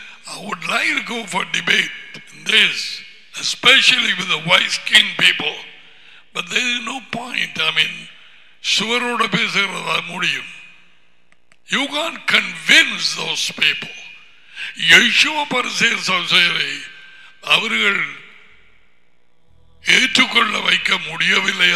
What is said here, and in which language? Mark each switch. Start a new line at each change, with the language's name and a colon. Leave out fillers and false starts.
English: I would like to go for debate in this, especially with the white-skinned people, but there is no point. I mean,
Tamil: சுவரோட பேசுறது முடியும்.
English: You can't convince those people.
Tamil: யேசுவ பரிசேயர் சௌசேரை அவர்கள் ஏற்றுக்கொள்ள வைக்க முடியவில்லை.